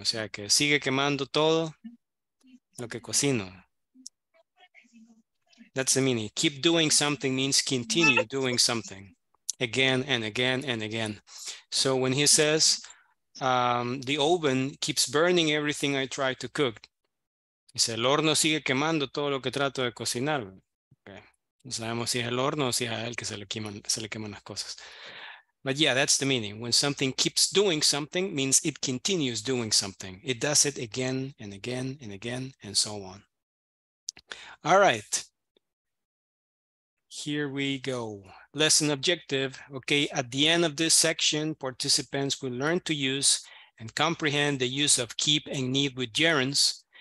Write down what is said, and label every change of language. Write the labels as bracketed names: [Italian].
[Spanish] O sea que sigue quemando todo lo que cocino. [English] That's the meaning. Keep doing something means continue doing something again and again and again. So when he says, the oven keeps burning everything I try to cook. [Spanish] Dice, el horno sigue quemando todo lo que trato de cocinar. Okay. No sabemos si es el horno o si es a él que se le queman las cosas. [English] But yeah, that's the meaning. When something keeps doing something means it continues doing something. It does it again and again and again and so on. All right. Here we go. Lesson objective. Okay, at the end of this section, participants will learn to use and comprehend the use of keep and need with gerunds.